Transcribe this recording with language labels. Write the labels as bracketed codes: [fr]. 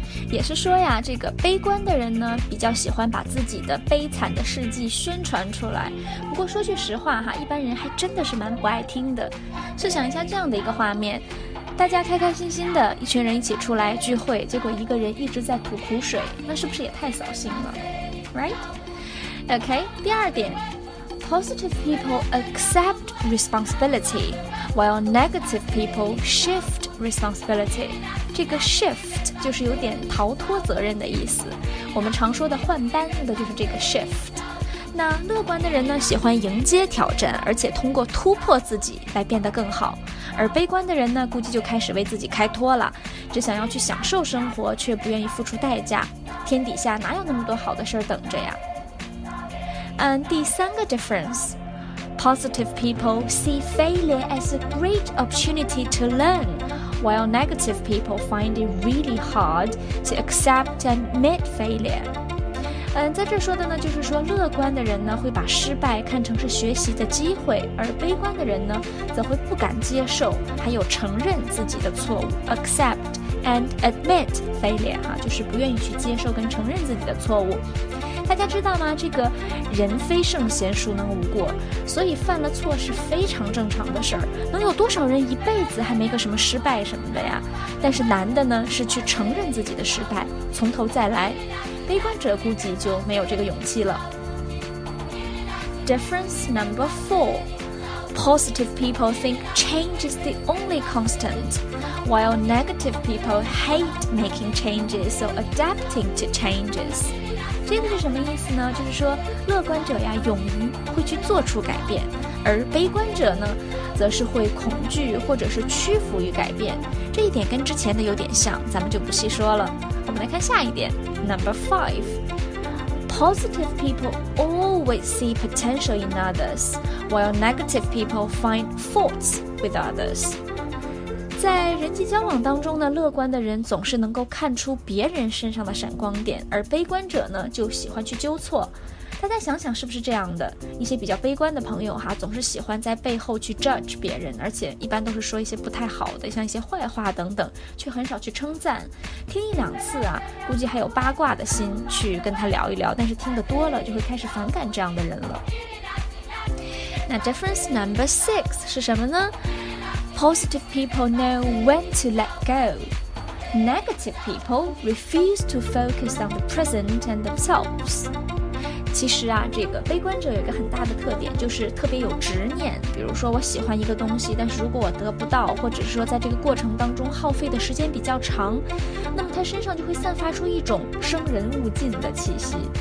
[zh] 也是说呀，这个悲观的人呢，比较喜欢把自己的悲惨的事迹宣传出来。不过说句实话哈，一般人还真的是蛮不爱听的。试想一下这样的一个画面，大家开开心心的一群人一起出来聚会，结果一个人一直在吐苦水，那是不是也太扫兴了？ [en] Right? Okay, [zh] 第二点， [en] Positive people accept responsibility, while negative people shift responsibility. [zh] 这个 shift 就是有点逃脱责任的意思。我们常说的换班的就是这个 shift。那乐观的人呢，喜欢迎接挑战，而且通过突破自己来变得更好。而悲观的人呢，估计就开始为自己开脱了，只想要去享受生活，却不愿意付出代价。天底下哪有那么多好的事儿等着呀？第三个 [en] difference, positive people see failure as a great opportunity to learn, while negative people find it really hard to accept and admit failure. [zh] 在这说的呢，就是说乐观的人呢会把失败看成是学习的机会，而悲观的人呢则会不敢接受还有承认自己的错误， [en] accept and admit failure, [zh] 哈，就是不愿意去接受跟承认自己的错误。大家知道吗？这个人非圣贤，孰能无过？所以犯了错是非常正常的事儿。能有多少人一辈子还没个什么失败什么的呀？但是难的呢，是去承认自己的失败，从头再来。悲观者估计就没有这个勇气了。 [en] Difference number four. Positive people think change is the only constant, while negative people hate making changes or adapting to changes. [zh] 这个是什么意思呢？就是说乐观者呀，勇于会去做出改变，而悲观者呢，则是会恐惧或者是屈服于改变。这一点跟之前的有点像，咱们就不细说了。我们来看下一点 ， [en] Number five. Positive people always see potential in others, while negative people find faults with others. [zh] 在人际交往当中呢，乐观的人总是能够看出别人身上的闪光点，而悲观者呢就喜欢去纠错。大家想想是不是这样的？一些比较悲观的朋友哈，总是喜欢在背后去 judge 别人，而且一般都是说一些不太好的，像一些坏话等等，却很少去称赞。听一两次啊，估计还有八卦的心去跟他聊一聊，但是听得多了就会开始反感这样的人了。那 [en] difference number six [zh] 是什么呢？ [en] Positive people know when to let go. Negative people refuse to focus on the present and themselves. [zh] 其实啊，这个悲观者有一个很大的特点，就是特别有执念。比如说我喜欢一个东西，但是如果我得不到，或者是说在这个过程当中耗费的时间比较长，那么他身上就会散发出一种生人勿近的气息。